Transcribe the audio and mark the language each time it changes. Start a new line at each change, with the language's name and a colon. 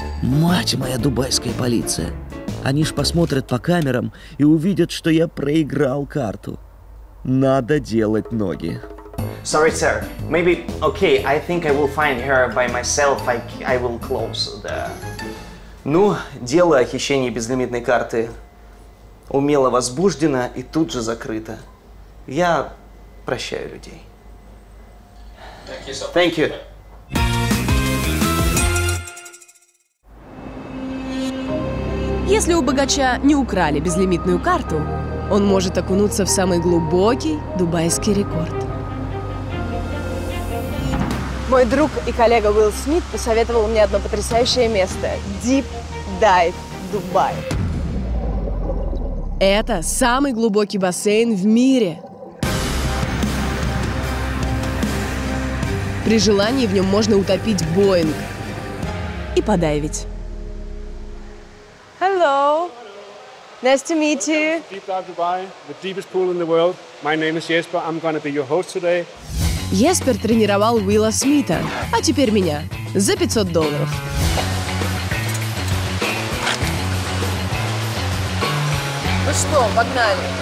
Russian: Мать моя, дубайская полиция. Они ж посмотрят по камерам и увидят, что я проиграл карту. Надо делать ноги.
English: Sorry, sir. Maybe, okay, I think I will find her by myself. I will close the...
Russian: Ну, дело о хищении безлимитной карты умело возбуждено и тут же закрыто. Я прощаю людей.
English: Thank you, sir. Thank you.
Russian: Если у богача не украли безлимитную карту, он может окунуться в самый глубокий дубайский рекорд. Мой друг и коллега Уилл Смит посоветовал мне одно потрясающее место – Deep Dive Dubai. Это самый глубокий бассейн в мире. При желании в нем можно утопить Боинг и подайвить.
English: Hello. Nice to meet you. Welcome to Deep Dive Dubai, the deepest pool in the world. My name is Jesper. I'm going to be your host today.
Russian: Еспер тренировал Уилла Смита, а теперь меня, за $500. Ну что, погнали.